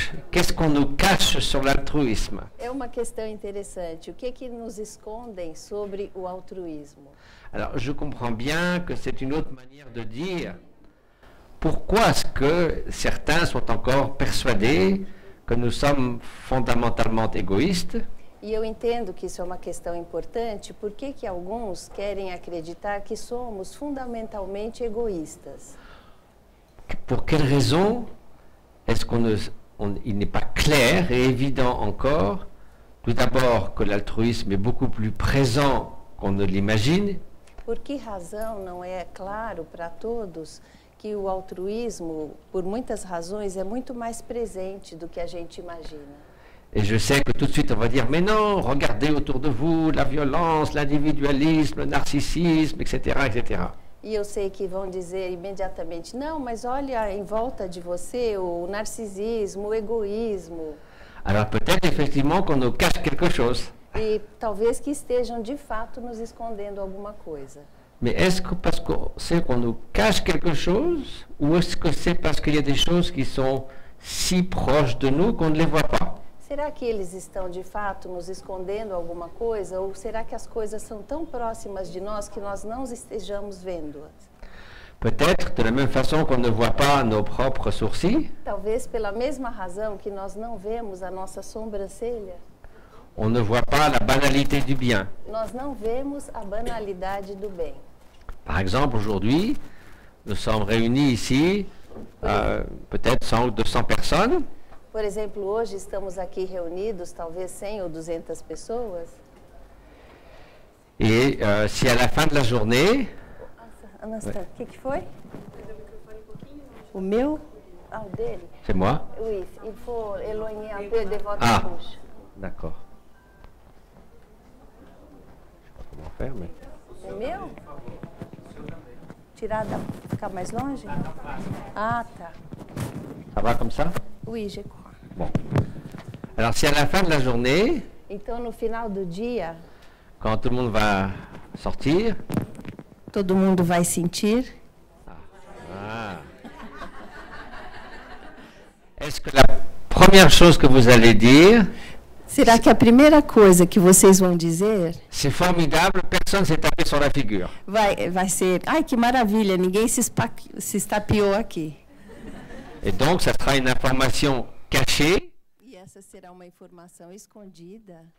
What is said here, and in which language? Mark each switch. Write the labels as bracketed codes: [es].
[fr] Qu'est-ce qu'on nous cache sur l'altruisme? [pt] É uma questão interessante. O que é que nos escondem sobre o altruísmo? [fr] Alors, je comprends bien que c'est une autre manière de dire pourquoi est-ce que certains sont encore persuadés que nous sommes fondamentalement égoïstes. [pt] E eu entendo que isso é uma questão importante, por que que alguns querem acreditar que somos fundamentalmente egoístas? Por que razão [fr] est-ce qu'on ne il n'est pas clair et évident encore, tout d'abord, que l'altruisme est beaucoup plus présent qu'on ne l'imagine. [pt] Por que razão não é claro para todos que o altruísmo, por muitas razões, é muito mais presente do que a gente imagina? [fr] Et je sais que tout de suite on va dire, mais non, regardez autour de vous, la violence, l'individualisme, le narcissisme, etc., etc. [pt] E eu sei que vão dizer imediatamente, não, mas olha em volta de você o narcisismo, o egoísmo. [fr] Alors peut-être effectivement qu'on nous cache quelque chose. [pt] E talvez que estejam de fato nos escondendo alguma coisa. [fr] Mais est-ce que parce que c'est qu'on nous cache quelque chose ou est-ce que c'est parce qu'il y a des choses qui sont si proches de nous qu'on ne les voit pas? [pt] Será que eles estão de fato nos escondendo alguma coisa ou será que as coisas são tão próximas de nós que nós não estejamos vendo-as? [fr] Peut-être de la même façon qu'on ne voit pas nos propres sourcils. [pt] Talvez pela mesma razão que nós não vemos a nossa sobrancelha. [fr] On ne voit pas la banalité du bien. [pt] Nós não vemos a banalidade do bem. [fr] Par exemple, aujourd'hui, nous sommes réunis ici, peut-être 100 ou 200 personnes. [pt] Por exemplo, hoje estamos aqui reunidos, talvez 100 ou 200 pessoas. E se [fr] à la fin de la journée. [pt] Anastasia, o que foi? O meu? Ah, o dele? [fr] C'est moi? Oui, il faut éloigner un peu de votre bouche. D'accord. Comment faire, mais... [pt] O meu? Tirar da. Ficar mais longe? Ah, tá. [fr] Ça va comme ça? Oui, je crois. Bon. Alors, si à la fin de la journée, [pt] então, no final do dia, [fr] quand tout le monde va sortir, [pt] todo mundo vai sentir, [fr] est-ce que la première chose que vous allez dire, [pt] será que a primeira coisa que vocês vão dizer, [fr] c'est formidable, personne s'est tapé sur la figure, [pt] vai ser, ai que maravilha, ninguém se estapeou aqui. [fr] Et donc, ça sera une information caché. [pt] E essa será uma informação escondida.